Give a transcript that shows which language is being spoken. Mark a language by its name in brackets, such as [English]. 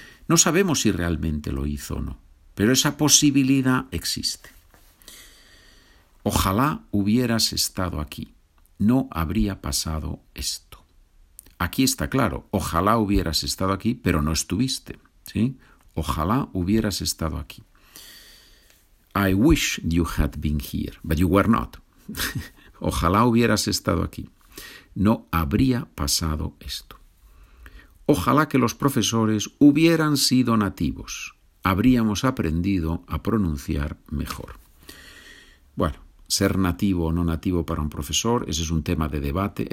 [Spanish] No sabemos si realmente lo hizo o no, pero esa posibilidad existe. Ojalá hubieras estado aquí. No habría pasado esto. Aquí está claro. Ojalá hubieras estado aquí, pero no estuviste, ¿sí? Ojalá hubieras estado aquí. [English] I wish you had been here, but you were not. [Spanish] Ojalá hubieras estado aquí. No habría pasado esto. Ojalá que los profesores hubieran sido nativos. Habríamos aprendido a pronunciar mejor. Bueno, ser nativo o no nativo para un profesor, ese es un tema de debate.